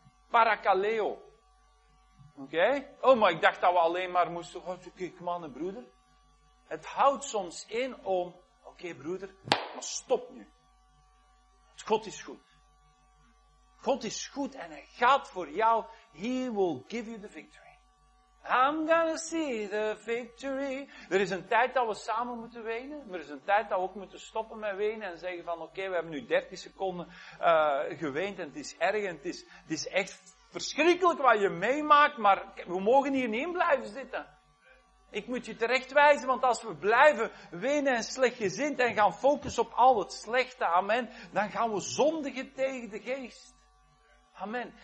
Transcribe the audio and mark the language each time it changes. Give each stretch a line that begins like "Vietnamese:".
Dutch: Parakaleo. Oké? Okay? Oh, maar ik dacht dat we alleen maar moesten... God, kijk, man en broeder. Het houdt soms in om... Oké, broeder, maar stop nu. God is goed. God is goed en hij gaat voor jou.
English: He will give you the victory. I'm gonna see the victory.
Dutch: Er is een tijd dat we samen moeten wenen. Maar er is een tijd dat we ook moeten stoppen met wenen. En zeggen van, oké, we hebben nu 30 seconden geweend. En het is erg en het is echt verschrikkelijk wat je meemaakt. Maar we mogen hier niet in blijven zitten. Ik moet je terecht wijzen, want als we blijven wenen en slechtgezind en gaan focussen op al het slechte, amen, dan gaan we zondigen tegen de geest. Amen.